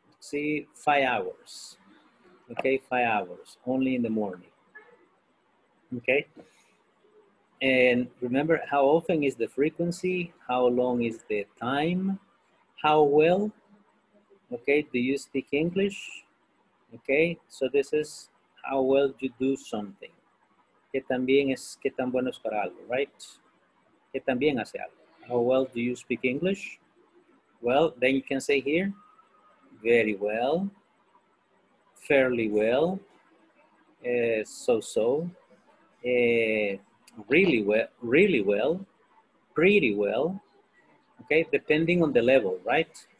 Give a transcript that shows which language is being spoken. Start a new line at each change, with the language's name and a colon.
English: See, 5 hours. Okay, 5 hours, only in the morning. Okay. And remember, how often is the frequency? How long is the time? How well, okay, do you speak English? Okay, so this is how well you do something.
Spanish: Que también es que tan bueno es para algo, right? Que también hace algo.
English: How well do you speak English? Well, then you can say here, very well, fairly well, so-so, really well, pretty well, okay, depending on the level, right?